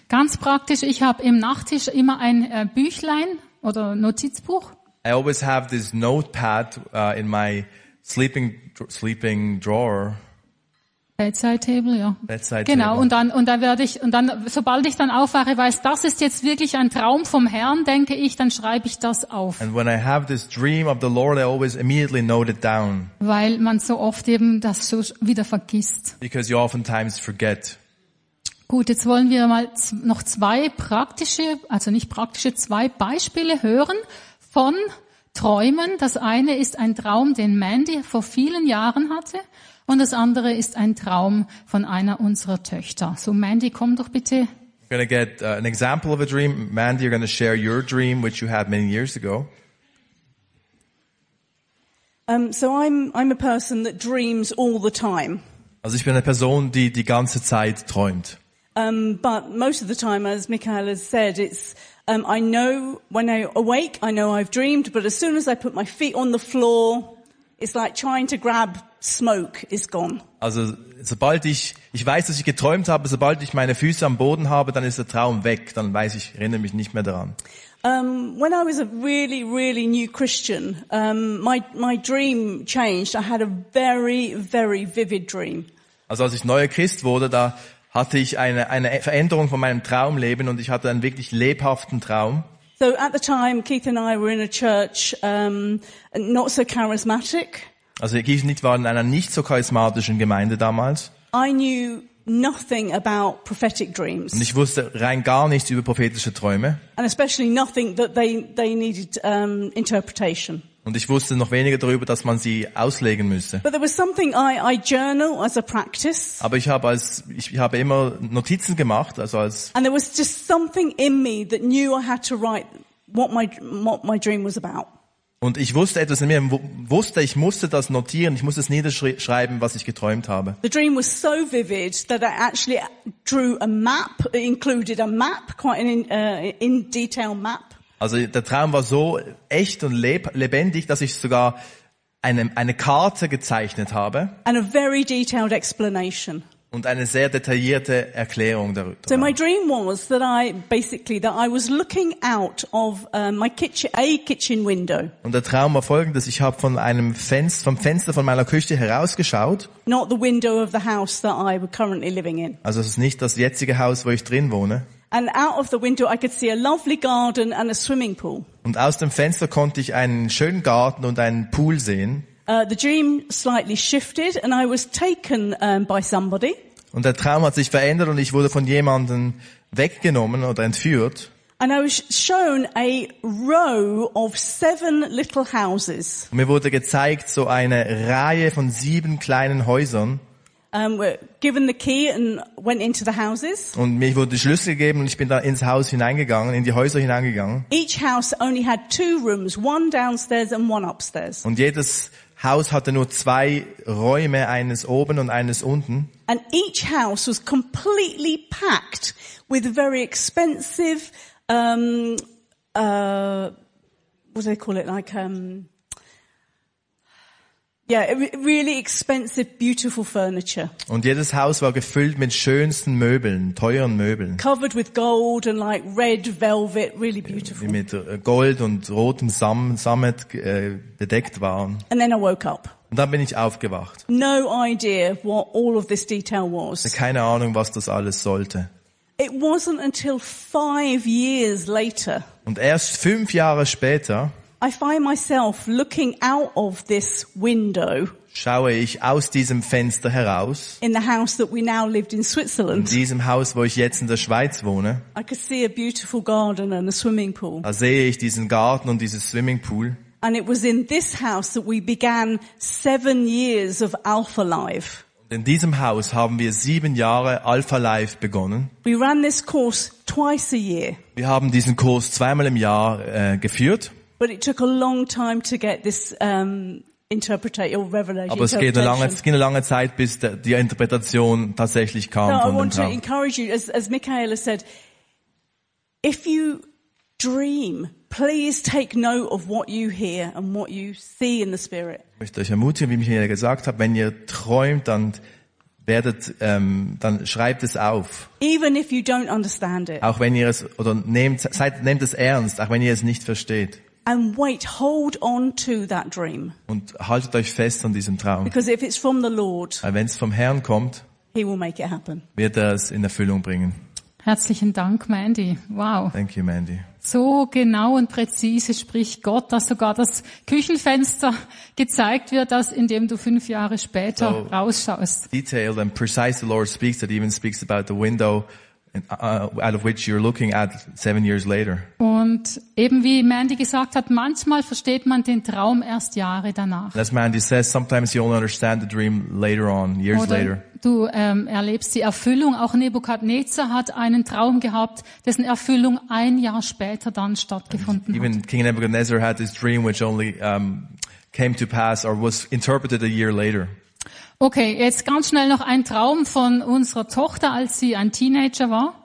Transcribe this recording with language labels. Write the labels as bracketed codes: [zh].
[de] Ganz praktisch, ich habe im Nachttisch immer ein Büchlein oder Notizbuch. [en] I always have this notepad in my sleeping drawer. Bedside table, ja. Bedside table. [de] Genau, und dann sobald ich dann aufwache, weiß, das ist jetzt wirklich ein Traum vom Herrn, denke ich, dann schreibe ich das auf. [en] And when I have this dream of the Lord, I always immediately note it down. [de] Weil man so oft eben das so wieder vergisst. [en] Because you oftentimes forget. [de] Gut, jetzt wollen wir mal noch zwei Beispiele hören von Träumen. Das eine ist ein Traum, den Mandy vor vielen Jahren hatte. Und das andere ist ein Traum von einer unserer Töchter. So, Mandy, komm doch bitte. [en] We're gonna get an example of a dream. Mandy, you're gonna share your dream, which you had many years ago. So I'm a person that dreams all the time. [de] Also ich bin eine Person, die die ganze Zeit träumt. [en] But most of the time, as Michael has said, it's I know when I awake, I know I've dreamed, but as soon as I put my feet on the floor, it's like trying to grab smoke is gone. [de] Also sobald ich weiß, dass ich geträumt habe, sobald ich meine Füße am Boden habe, dann ist der Traum weg, dann weiß ich, erinnere mich nicht mehr daran. [en] When I was a really, really new Christian, my dream changed. I had a very, very vivid dream. [de] Also als ich neuer Christ wurde, da hatte ich eine Veränderung von meinem Traumleben und ich hatte einen wirklich lebhaften Traum. [en] So at the time, Keith and I were in a church, not so charismatic. [de] Also Keith und ich waren in einer nicht so charismatischen Gemeinde damals. [en] I knew nothing about prophetic dreams. [de] Und ich wusste rein gar nichts über prophetische Träume. [en] And especially nothing that they needed interpretation. [de] Und ich wusste noch weniger darüber, dass man sie auslegen müsste. [en] But there was something I journal as a practice. [de] Aber ich habe immer Notizen gemacht, also als. [en] And there was just something in me that knew I had to write what my dream was about. [de] Und ich wusste etwas in mir, wusste, ich musste das notieren, ich musste es niederschreiben, was ich geträumt habe. [en] The dream was so vivid that I actually drew a map, included a map, quite an in detail map. [de] Also der Traum war so echt und lebendig, dass ich sogar eine Karte gezeichnet habe. [en] And a very detailed explanation. [de] Und eine sehr detaillierte Erklärung darüber. [en] So my dream was that I was looking out of my kitchen window. [de] Und der Traum war folgendes: Ich habe von einem Fenster, vom Fenster von meiner Küche herausgeschaut. [en] Not the window of the house that I was currently living in. [de] Also es ist nicht das jetzige Haus, wo ich drin wohne. [en] And out of the window I could see a lovely garden and a swimming pool. [de] Und aus dem Fenster konnte ich einen schönen Garten und einen Pool sehen. [en] The dream slightly shifted and I was taken by somebody. [de] Und der Traum hat sich verändert und ich wurde von jemandem weggenommen oder entführt. [en] And I was shown a row of 7 little houses. [de] Und mir wurde gezeigt so eine Reihe von 7 kleinen Häusern. [en] Were given the key and went into the houses. [de] Und mir wurde der Schlüssel gegeben und ich bin da ins Haus hineingegangen, in die Häuser hineingegangen. [en] Each house only had 2 rooms, 1 downstairs and 1 upstairs. [de] Und jedes Haus hatte nur 2 Räume, eines oben und eines unten. [en] And each house was completely packed with very expensive, what do they call it? Really expensive, beautiful furniture. [de] Und jedes Haus war gefüllt mit schönsten Möbeln, teuren Möbeln. [en] Covered with gold and like red velvet, really beautiful. [de] Die mit Gold und rotem Sammet bedeckt waren. [en] And then I woke up. [de] Und dann bin ich aufgewacht. [en] No idea what all of this detail was. [de] Keine Ahnung, was das alles sollte. [en] It wasn't until 5 years later. [de] Und erst 5 Jahre später. [en] I find myself looking out of this window. [de] Schaue ich aus diesem Fenster heraus. [en] In the house that we now lived in Switzerland. [de] In diesem Haus, wo ich jetzt in der Schweiz wohne. [en] I could see a beautiful garden and a swimming pool. [de] Da sehe ich diesen Garten und dieses Swimmingpool. [en] And it was in this house that we began 7 years of Alpha Life. [de] In diesem Haus haben wir 7 Jahre Alpha Life begonnen. [en] We ran this course twice a year. [de] Wir haben diesen Kurs zweimal im Jahr geführt. [en] But it took a long time to get this interpretation or revelation. [de] Aber es ging eine lange Zeit, bis die Interpretation tatsächlich kam. [en] Now, I want to encourage you, as Michaela said, if you dream, please take note of what you hear and what you see in the spirit. [de] Ich möchte euch ermutigen, wie Michaela gesagt hat, wenn ihr träumt, dann werdet, dann schreibt es auf. [en] Even if you don't understand it. [de] Auch wenn ihr es, oder nehmt es ernst, auch wenn ihr es nicht versteht. [en] And wait, hold on to that dream. [de] Und haltet euch fest an diesem Traum. [en] Because if it's from the Lord, [de] wenn es vom Herrn kommt, [en] he will make it happen. [de] Wird er es in Erfüllung bringen. Herzlichen Dank, Mandy. Wow. [en] Thank you, Mandy. [de] So genau und präzise spricht Gott, dass sogar das Küchenfenster gezeigt wird, dass in dem du 5 Jahre später so rausschaust. [en] Detailed and precise, the Lord speaks. It even speaks about the window out of which you're looking at 7 years later. [de] Und eben wie Mandy gesagt hat, manchmal versteht man den Traum erst Jahre danach. [en] As Mandy says, sometimes you only understand the dream later on, years [de] Oder [en] later. [de] Du erlebst die Erfüllung. Auch Nebukadnezar hat einen Traum gehabt, dessen Erfüllung ein Jahr später dann stattgefunden [en] even [de] hat. [en] Even King Nebuchadnezzar had this dream which only came to pass or was interpreted a year later. [de] Okay, jetzt ganz schnell noch ein Traum von unserer Tochter, als sie ein Teenager war.